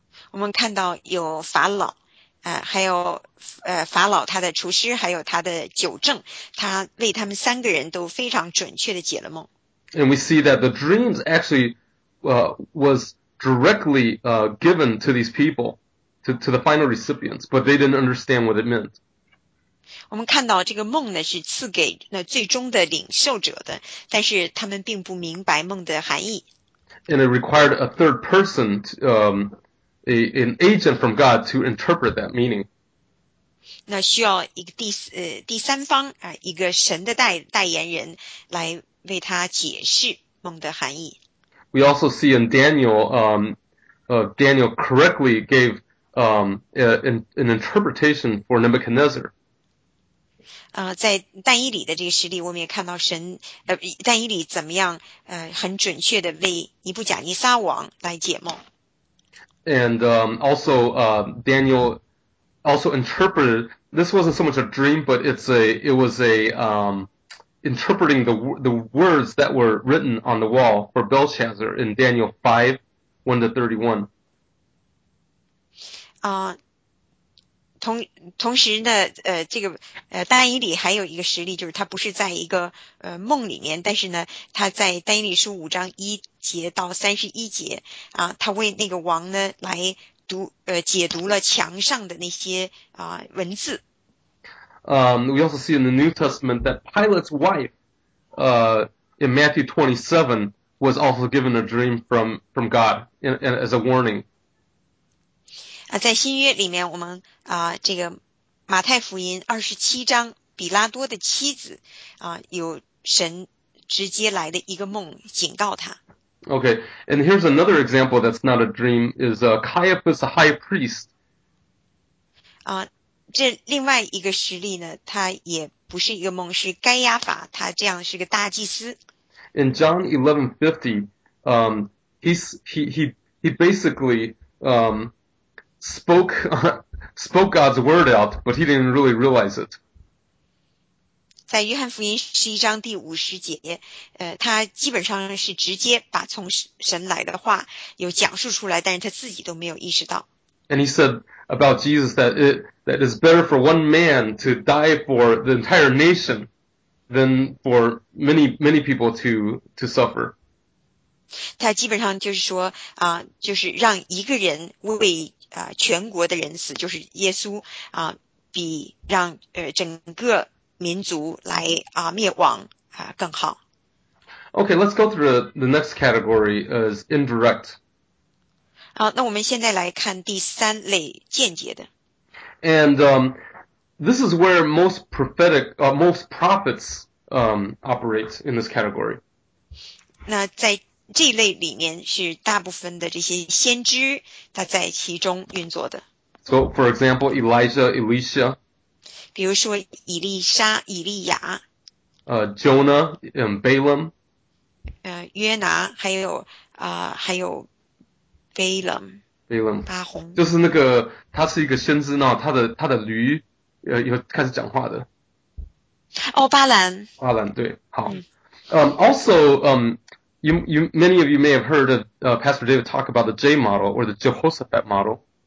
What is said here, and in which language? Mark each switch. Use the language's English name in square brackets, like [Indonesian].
[Chinese] 我们看到有法老，还有法老他的厨师，还有他的酒政，他为他们三个人都非常准确的解了梦。 [English] And we see that the dreams actually was directly given to these people, to the final recipients, but they didn't understand what it meant. [Chinese] 我们看到这个梦呢是赐给那最终的领受者的，但是他们并不明白梦的含义。 [English] And it required a third person, an agent from God to interpret that meaning. [Chinese] 那需要一个第三方一个神的代言人来为他解释梦的含义。 [English] We also see in Daniel, Daniel correctly gave an interpretation for Nebuchadnezzar. [Chinese] 在但以理的这个实例，我们也看到神但以理怎么样很准确的为尼布甲尼撒王来解梦。 [English] And Daniel also interpreted. This wasn't so much a dream, but it was interpreting the words that were written on the wall for Belshazzar in Daniel 5:1 to 31. [Chinese] 同时呢，这个但以理还有一个实例，就是他不是在一个梦里面，但是呢，他在但以理书5章1节到31节他为那个王呢来读解读了墙上的那些文字。 [English] We also see in the New Testament that Pilate's wife, in Matthew 27, was also given a dream from God as a warning. [Chinese] 在新约里面，我们这个马太福音27章，比拉多的妻子有神直接来的一个梦警告他。 [English] Okay, and here's another example that's not a dream, is Caiaphas, the high priest. [Chinese] 这另外一个实例呢，他也不是一个梦，是该亚法，他这样是个大祭司。 [English] In John 11:50, he basically spoke God's word out, but he didn't really realize it. [Chinese] 在约翰福音11章第50节，他基本上是直接把从神来的话有讲述出来，但是他自己都没有意识到。 [English] And he said about Jesus that it's better for one man to die for the entire nation than for many people to suffer. [Chinese] 他基本上就是说就是让一个人为全国的人死，就是耶稣比让整个民族来灭亡更好。 [English] Okay, let's go through the next category as indirect. [Chinese] 好，那我们现在来看第三类间接的。 [English] And this is where most prophets operate in this category. [Chinese] 那在这一类里面，是大部分的这些先知，他在其中运作的。 [English] So, for example, Elijah, Elisha, [Chinese] 比如说以利沙、以利亚。 [English] Jonah and Balaam. [Chinese] 约拿还有还有，Balaam。 [English] Balaam， [Chinese] 巴洪。就是那个，他是一个先知，然后他的驴，又开始讲话的。哦，巴兰。巴兰，对，好。 [English] Also, many of you may have heard of Pastor David talk about the J model or the Jehoshaphat model.